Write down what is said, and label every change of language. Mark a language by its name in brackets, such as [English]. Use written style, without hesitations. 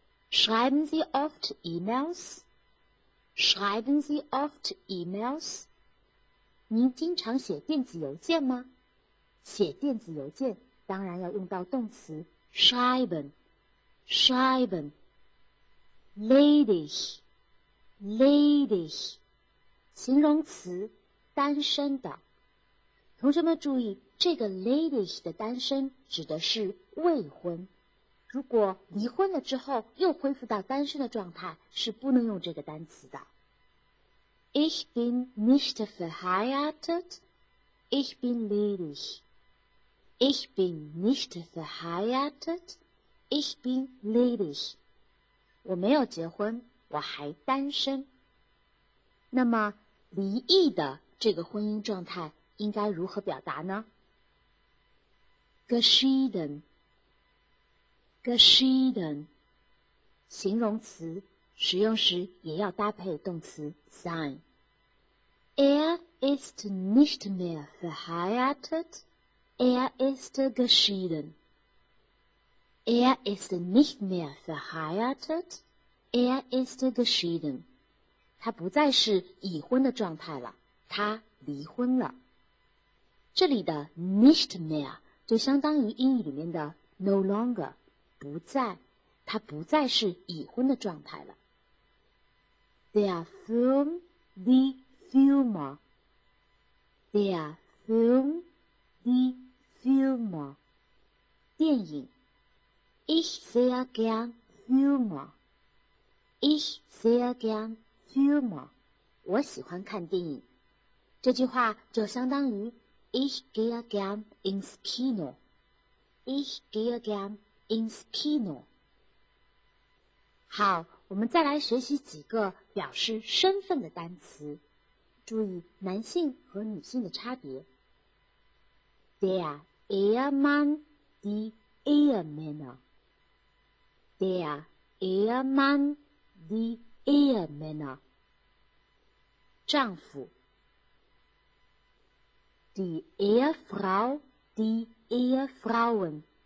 [German] Schreiben Sie oft emails? Schreiben Sie oft emails? [Chinese] 您经常写电子邮件吗？写电子邮件当然要用到动词 [German] schreiben, schreiben. Ladies, ladies. [Chinese] 形容词，单身的。同学们注意，这个 ladies 的单身指的是未婚。如果离婚了之后又恢复到单身的状态，是不能用这个单词的。 [German] Ich bin nicht verheiratet, ich bin ledig. Ich bin nicht verheiratet, ich bin ledig. [Chinese] 我没有结婚，我还单身。那么离异的这个婚姻状态应该如何表达呢？ [German] Geschieden. Geschieden, [Chinese] 形容词，使用时也要搭配动词 sein. [German] Er ist nicht mehr verheiratet, er ist geschieden. Er ist nicht mehr verheiratet, er ist geschieden. [Chinese] 他不再是已婚的状态了，他离婚了。这里的 [German] nicht mehr [Chinese] 就相当于英语里面的 [English] no longer. [Chinese] 不再，他不再是已婚的状态了。 [German] Der Film, die Filme. Der Film, die Filme. [Chinese] 电影。 [German] Ich sehr gern Filme. Ich sehr gern Filme. [Chinese] 我喜欢看电影。这句话就相当于 [German] Ich gehe gern ins Kino. Ich gehe gern. ins Kino. [Chinese] 好，我们再来学习几个表示身份的单词，注意男性和女性的差别。 [German] Der Ehemann, die Ehemänner. Der Ehemann, die Ehemänner. [Chinese] 丈夫. [German] Die Ehefrau, die Ehefrauen.